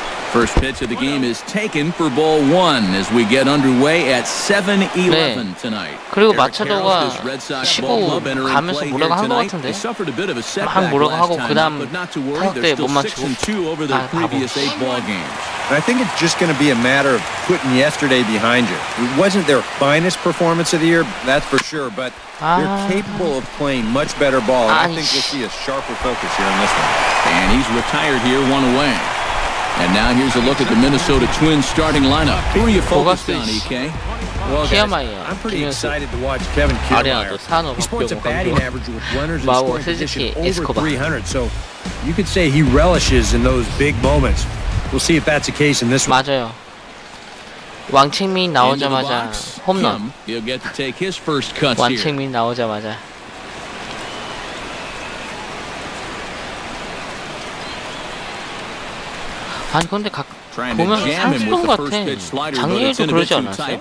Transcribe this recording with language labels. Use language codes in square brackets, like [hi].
[en] First pitch of the game is taken for ball one as we get underway at 7-11 tonight. [ko] 네. 그리고 마차도가 치고 가면서 뭐라고 한 것 같은데. 한 뭐라고 하고 그다음 타석 때 못 맞추고. 아, 바보. [en] I think it's just going to be a matter of putting yesterday behind you. It wasn't their finest performance of the year, that's for sure, but they're capable of playing much better ball. I think we'll see a sharper focus here on this one. And he's retired here one away. And now here's a look at the Minnesota Twins starting lineup. Who are you focused on, EK? Well, guys, I'm pretty excited to watch Kevin Kiermaier. He sports a batting average with runners in scoring position over 300, so you could say he relishes in those big moments. We'll see if that's the case in this one. [ko] 맞아요. 왕칭민 나오자마자 홈런. [en] He'll get to take his first cut here. [ko] 왕칭민 나오자마자. 아니 근데 각 보면 상식인 것 같아. 작년에도 그러지 않았어요?